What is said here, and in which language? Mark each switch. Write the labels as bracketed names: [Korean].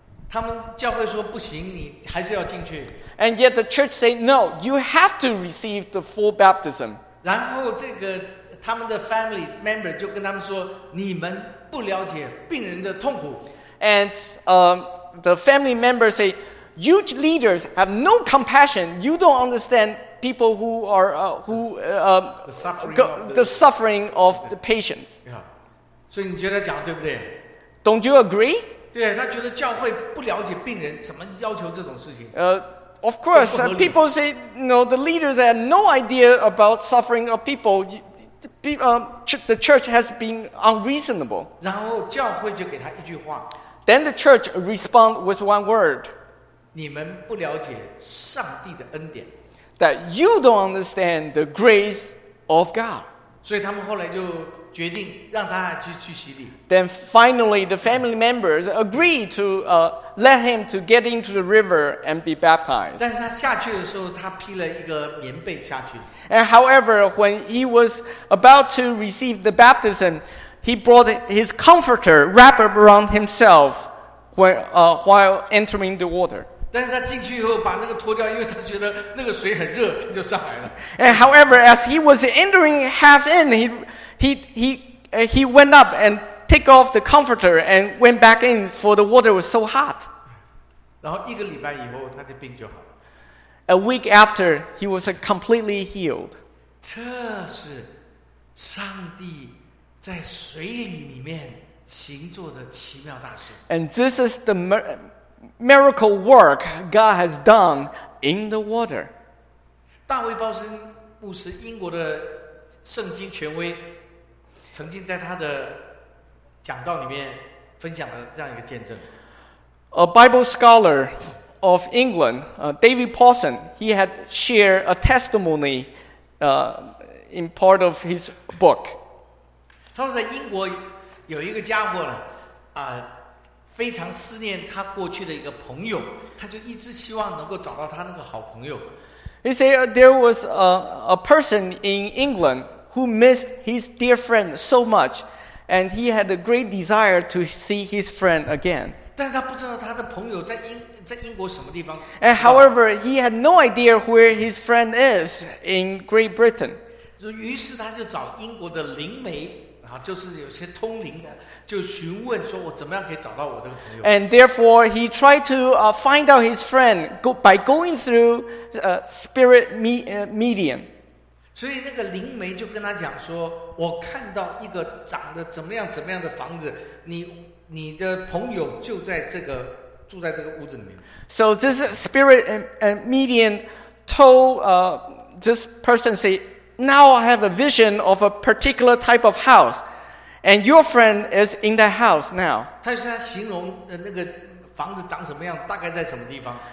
[Chinese] 他们教会说不行，你还是要进去。 [English] And yet the church said no, you have to receive the full baptism. [Chinese] 然后这个他们的 [English] family member [Chinese] 就跟他们说，你们不了解病人的痛苦。 [English] And the family member said, you leaders have no compassion. You don't understand people who are the suffering of the patients. [Chinese] Yeah. 所以你觉得讲对不对？ [English] Don't you agree? [Chinese] 对，他觉得教会不了解病人，怎么要求这种事情？ [English] Of course, people say, you know, the leaders have no idea about suffering of people. The church has been unreasonable. [Chinese] 然后教会就给他一句话。 [English] Then the church respond with one word. [Chinese] 你们不了解上帝的恩典。 [English] That you don't understand the grace of God. [Chinese] 所以他们后来就决定让他去洗礼。 [English] Then finally, the family members agree to let him to get into the river and be baptized. [Chinese] 但是他下去的时候，他披了一个棉被下去。 [English] And however, when he was about to receive the baptism, he brought his comforter wrapped around himself while entering the water. [Chinese] 但是他进去以后把那个脱掉，因为他觉得那个水很热，他就上来了。 [English] And however, as he was entering half in, he went up and take off the comforter and went back in, for the water was so hot. [Chinese] 然后一个礼拜以后，他的病就好了。 [English] A week after, he was completely healed. [Chinese] 这是上帝在水里里面行做的奇妙大事。 [English] And this is the miracle work God has done in the water. [Chinese] 大卫鲍森牧师，英国的圣经权威，曾经在他的讲道里面分享了这样一个见证。 [English] A Bible scholar of England, David Paulson, he had shared a testimony, in part of his book. [Chinese] 他说在英国有一个家伙呢，非常思念他过去的一个朋友，他就一直希望能够找到他那个好朋友。 [English] He said there was a person in England who missed his dear friend so much, and he had a great desire to see his friend again. [Chinese] 但他不知道他的朋友在英国什么地方。 [English] And however, he had no idea where his friend is in Great Britain. [Chinese] 于是他就找英国的灵媒，就是有些通灵的，就询问说我怎么样可以找到我的朋友。 [English] And therefore, he tried to find out his friend by going through spirit medium. [Chinese] 所以那个灵媒就跟他讲说，我看到一个长得怎么样怎么样的房子，你的朋友就在这个住在这个屋子里面。 [English] So this spirit medium told this person, say, now I have a vision of a particular type of house, and your friend is in that house now. [Chinese] 他说他形容那个房子长什么样，大概在什么地方。